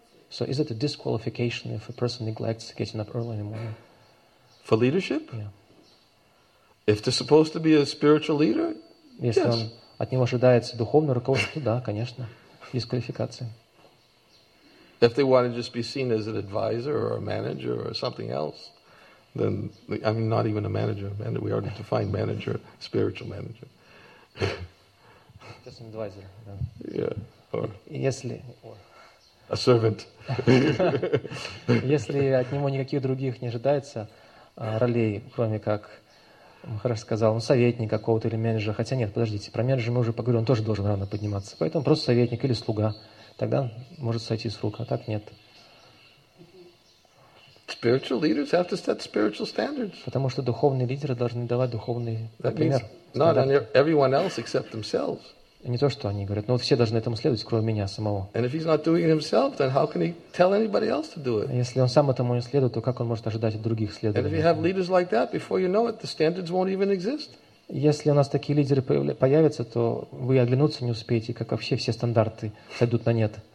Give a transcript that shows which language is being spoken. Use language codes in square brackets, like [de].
[en] So is it a disqualification if a person neglects getting up early in the morning? For leadership? Yeah. If they're supposed to be a spiritual leader? [ru] Если [en] yes. [ru] Он от него ожидается духовное руководство, да, конечно. Дисквалификация. [en] If they want to just be seen as an advisor or a manager or something else, then, I mean, not even a manager. We already defined manager, spiritual manager. Just an advisor. Yeah. Or... [ru] Если... [en] A servant. [ru] Если от него никаких других не ожидается ролей, кроме как, Махараш сказал, ну, советник какого-то или менеджера. Хотя нет, подождите, про менеджера мы уже поговорили, он тоже должен рано подниматься. Поэтому просто советник или слуга. Тогда может сойти с рук, а так нет. [en] Spiritual leaders have to set spiritual standards. [ru] Потому что духовные лидеры должны давать духовный пример. [en] Not everyone else except themselves. [ru] Не то, что они говорят, но все должны этому следовать, кроме меня самого. [en] And if he's not doing it himself, then how can he tell anybody else to do it? [ru] Если он сам этому не следует, то как он может ожидать от других следовать? [en] And if you have leaders like that, before you know it, the standards won't even exist. [ru] Если у нас такие лидеры появятся, то вы оглянуться не успеете, как вообще все стандарты сойдут на нет.